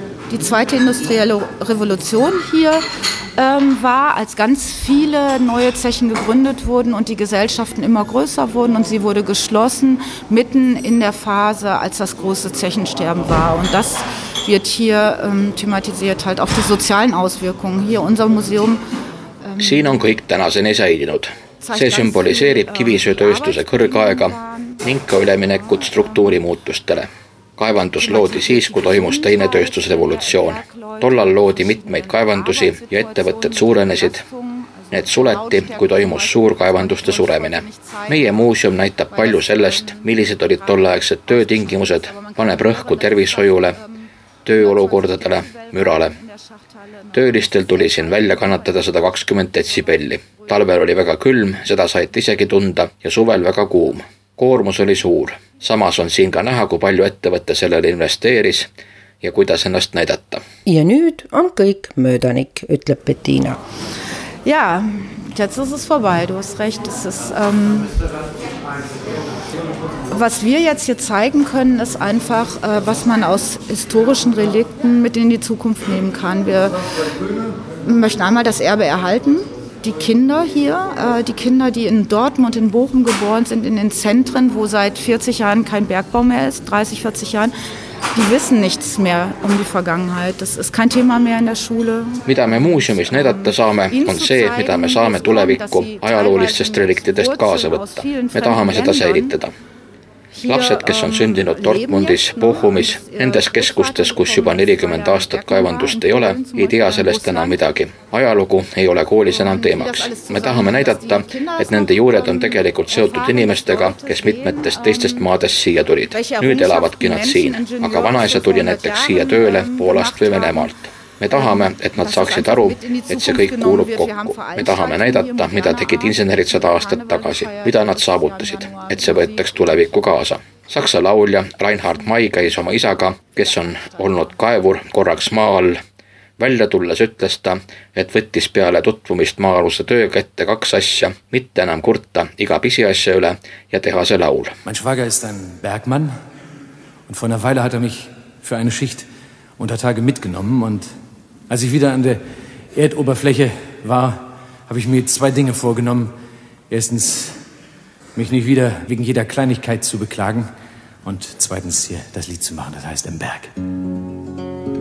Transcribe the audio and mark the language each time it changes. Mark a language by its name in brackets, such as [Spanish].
[German] Die zweite industrielle Revolution hier war, als ganz viele neue Zechen gegründet wurden und die Gesellschaften immer größer wurden und sie wurde geschlossen mitten in der Phase, als das große Zechensterben war. Und das wird hier thematisiert, halt auch die sozialen Auswirkungen. Hier unser Museum. [Estonian] Siin on kõik tänaseni säilinud. See sümboliseerib kivisöötööstuse kõrgaega ning ka üleminekut struktuurimuutustele. Kaevandus loodi siis, kui toimus teine tööstusrevolutsioon. Tollal loodi mitmeid kaevandusi ja ettevõtted suurenesid. Need suleti, kui toimus suur kaevanduste suremine. Meie muuseum näitab palju sellest, millised olid tolleaegsed töötingimused, paneb rõhku tervishoiule, tööolukordadele, mürale. Töölistel tuli siin välja kannatada 120 detsibelli. Talvel oli väga külm, seda said isegi tunda ja suvel väga kuum. Koormus oli suur. Samas on siin ka näha, kui palju ettevõtte sellel investeeris ja kuidas ennast näidata. Ja nüüd on kõik möödanik, ütleb Bettina. [German] Ja, jetzt ist es vorbei, du hast recht. Es ist, was wir jetzt hier zeigen können, ist einfach, was man aus historischen Relikten mit in die Zukunft nehmen kann. Wir möchten einmal das Erbe erhalten. Die Kinder hier, die Kinder, die in Dortmund, in Bochum geboren sind, in den Zentren, wo seit 40 Jahren kein Bergbau mehr ist, 30, 40 Jahren, die wissen nichts mehr um die Vergangenheit. Das ist kein Thema mehr in der Schule. [Estonian] Mida me muuseumis näidata saame, on see, mida me saame tulevikku ajaloolistest reliktidest kaasa võtta. Me tahame seda säilitada. Lapsed, kes on sündinud Dortmundis, Bochumis, nendes keskustes, kus juba 40 aastat kaevandust ei ole, ei tea sellest enam midagi. Ajalugu ei ole koolis enam teemaks. Me tahame näidata, et nende juured on tegelikult seotud inimestega, kes mitmetest teistest maadest siia tulid. Nüüd elavadki nad siin, aga vanaisa tuli näiteks siia tööle Poolast või Venemaalt. Me tahame, et nad saaksid aru, et see kõik kuulub kokku. Me tahame näidata, mida tegid insenerid 100 aastat tagasi, mida nad saavutasid, et see võetaks tulevikku kaasa. Saksa laulja Reinhard May käis oma isaga, kes on olnud kaevur korraks maal. Välja tulles ütles ta, et võttis peale tutvumist maaluse tööga ette kaks asja, mitte enam kurta iga pisiasja üle ja teha see laul. [German] Mein Schwager ist ein Bergmann und vor einer Weile hat mich für eine Schicht unter Tage mitgenommen und als ich wieder an der Erdoberfläche war, habe ich mir zwei Dinge vorgenommen. Erstens, mich nicht wieder wegen jeder Kleinigkeit zu beklagen und zweitens hier das Lied zu machen, das heißt im Berg.